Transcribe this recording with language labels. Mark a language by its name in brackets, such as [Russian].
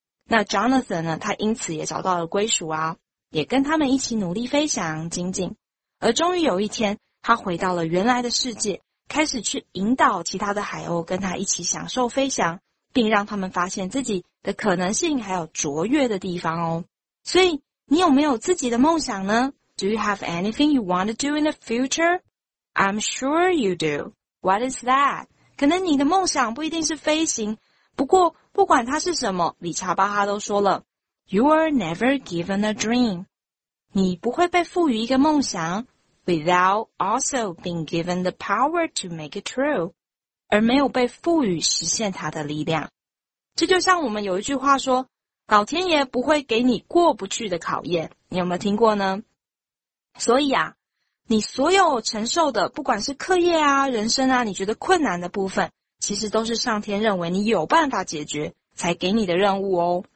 [Chinese] 那 Jonathan 呢，他因此也找到了归属啊，也跟他们一起努力飞翔精进。而终于有一天他回到了原来的世界，开始去引导其他的海鸥跟他一起享受飞翔，并让他们发现自己的可能性还有卓越的地方哦。所以你有没有自己的梦想呢？ [English] Do you have anything you want to do in the future? I'm sure you do. What is that? [Chinese] 可能你的梦想不一定是飞行，不过不管它是什么，理查巴哈都说了， [English] You are never given a dream. [Chinese] 你不会被赋予一个梦想 [English] without also being given the power to make it true. [Chinese] 而没有被赋予实现它的力量。这就像我们有一句话说，老天爷不会给你过不去的考验。你有没有听过呢？所以啊，你所有承受的，不管是课业啊、人生啊，你觉得困难的部分，其实都是上天认为你有办法解决，才给你的任务哦。